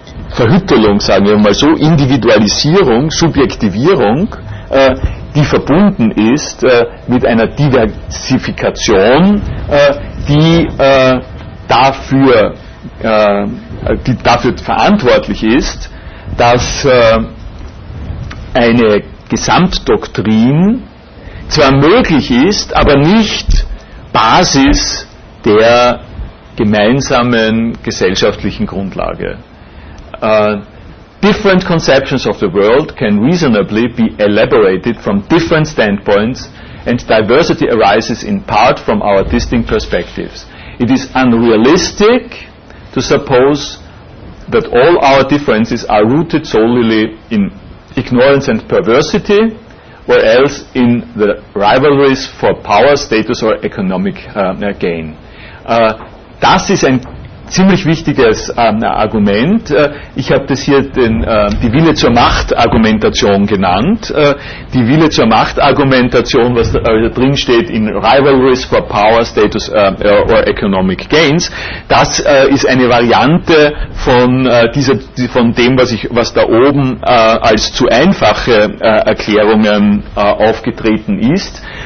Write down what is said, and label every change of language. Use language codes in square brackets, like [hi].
[de] Verhüttelung, sagen wir mal so, Individualisierung, Subjektivierung, die verbunden ist mit einer Diversifikation, die dafür verantwortlich ist, dass eine Gesamtdoktrin zwar möglich ist, aber nicht Basis der gemeinsamen gesellschaftlichen Grundlage. [en] Different conceptions of the world can reasonably be elaborated from different standpoints, and diversity arises in part from our distinct perspectives. It is unrealistic to suppose that all our differences are rooted solely in ignorance and perversity, or else in the rivalries for power, status or economic gain. [de] Das ist ein ziemlich wichtiges Argument. Ich habe das hier die Wille zur Macht-Argumentation genannt. Die Wille zur Macht-Argumentation, was da drin steht in [en] Rivalries for Power, Status or Economic Gains, [de] das ist eine Variante von dem, was da oben als zu einfache Erklärungen aufgetreten ist.